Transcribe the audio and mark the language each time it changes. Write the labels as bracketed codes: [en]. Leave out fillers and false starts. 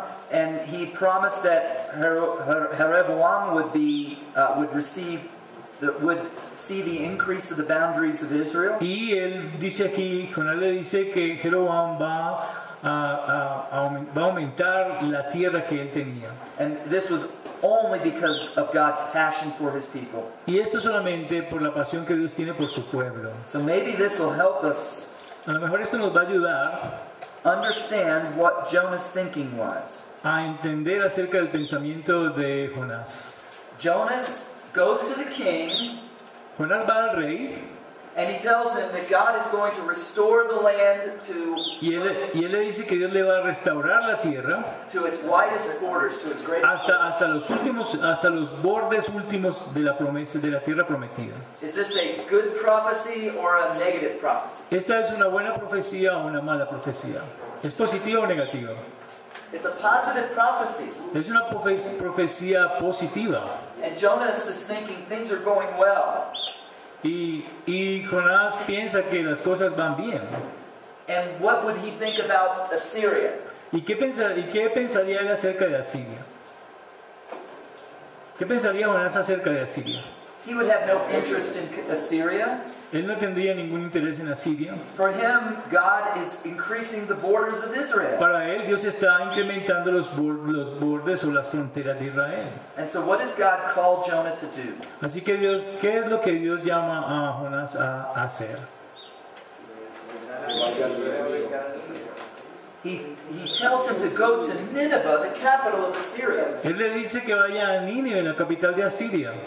[en] And he promised that Jeroboam would see the increase of the boundaries of Israel. [es] Y él dice aquí, Jonás le dice que Jeroboam va a aumentar la tierra que él tenía. [en] And this was only because of God's passion for his people. [es] Y esto solamente por la pasión que Dios tiene por su pueblo. [en] So maybe this will help us. [es] A lo mejor esto nos va a ayudar. [en] Understand what Jonah's thinking was. [es] A entender acerca del pensamiento de Jonás. [en] Jonas goes to the king. [es] Jonás va al rey. [en] And he tells him that God is going to restore the land to. [es] Y él le dice que Dios le va a restaurar la tierra. [en] To its widest borders, to its greatest. [es] Hasta los bordes últimos de la promesa de la tierra prometida. [en] Is this a good prophecy or a negative prophecy? [es] ¿Esta es una buena profecía o una mala profecía? ¿Es positiva o negativa? [en] It's a positive prophecy. [es] Es una profecía positiva. [en] And Jonas is thinking things are going well. [es] Y Jonás piensa que las cosas van bien. [en] And what would he think about Assyria? [es] ¿Y qué pensaría él acerca de Asiria? ¿Qué pensaría Jonás acerca de Asiria? [en] He would have no interest in Assyria. [es] Él no tendría ningún interés en Asiria. [en] For him, God is increasing the borders of Israel. [es] Para él, Dios está incrementando los bordes o las fronteras de Israel. [en] And so what does God call Jonah to do? [es] Así que Dios, ¿qué es lo que Dios llama a Jonás a hacer? [en] He tells him to go to Nineveh, the capital of Assyria. [es] Él le dice que vaya a Nínive, la capital de Asiria.